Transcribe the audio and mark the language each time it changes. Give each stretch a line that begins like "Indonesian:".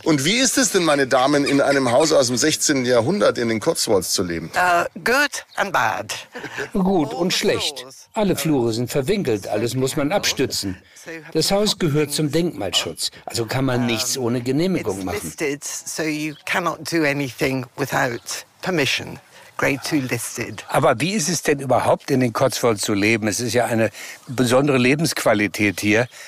German: Und wie ist es denn, meine Damen, in einem Haus aus dem 16. Jahrhundert in den Cotswolds zu leben?
English: Good and bad.
German: Gut und schlecht. Alle Flure sind verwinkelt, alles muss man abstützen. Das Haus gehört zum Denkmalschutz, also kann man nichts ohne Genehmigung machen.
English: It's listed, so you cannot do anything without permission. Grade 2 listed.
German: Aber wie ist es denn überhaupt in den Cotswolds zu leben? Es ist ja eine besondere Lebensqualität hier.